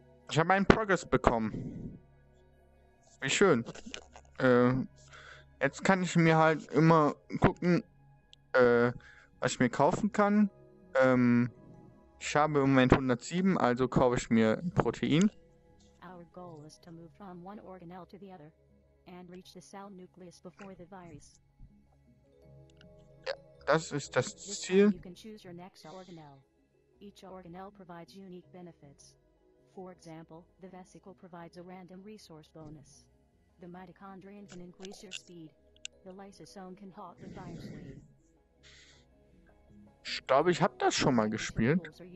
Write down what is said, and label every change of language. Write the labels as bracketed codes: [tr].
[de] Ich habe meinen Progress bekommen. Wie schön. Jetzt kann ich mir halt immer gucken, was ich mir kaufen kann. Ich habe im Moment 107, also kaufe ich mir ein Protein. [en] Our goal is to move from one organelle to the other and reach the cell nucleus before the virus. [de] Das ist das Ziel. [en] You can choose your next organelle. Each organelle provides unique benefits. For example, the vesicle provides a random resource bonus. The mitochondrion can increase your speed. The lysosome can halt the virus wave. [de] Ich glaube, ich habe das schon mal gespielt.